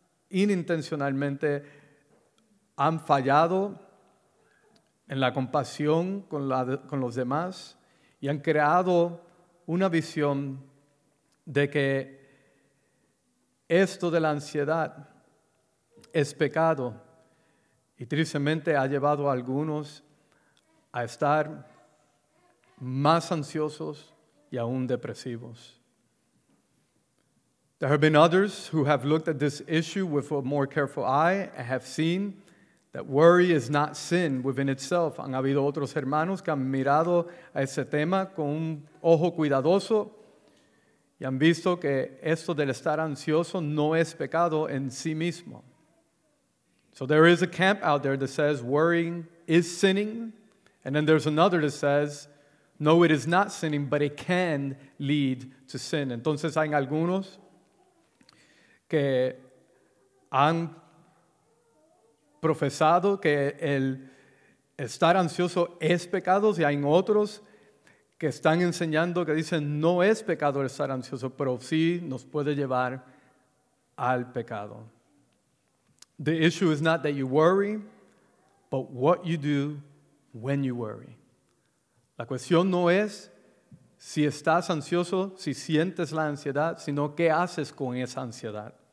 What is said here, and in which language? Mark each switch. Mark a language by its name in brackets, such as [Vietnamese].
[Spanish] inintencionalmente han fallado en la compasión con los demás y han creado una visión de que esto de la ansiedad es pecado y tristemente ha llevado a algunos a estar más ansiosos y aún depresivos. [English] There have been others who have looked at this issue with a more careful eye and have seen that worry is not sin within itself. [Spanish] Han habido otros hermanos que han mirado a ese tema con un ojo cuidadoso y han visto que esto del estar ansioso no es pecado en sí mismo. [English] So there is a camp out there that says worrying is sinning, and then there's another that says, no, it is not sinning, but it can lead to sin. [Spanish] Entonces hay algunos que han profesado que el estar ansioso es pecado, y hay otros que están enseñando que dicen no es pecado el estar ansioso, pero sí nos puede llevar al pecado. [English] The issue is not that you worry, but what you do when you worry. [Spanish] La cuestión no es si estás ansioso, si sientes la ansiedad, sino qué haces con esa ansiedad.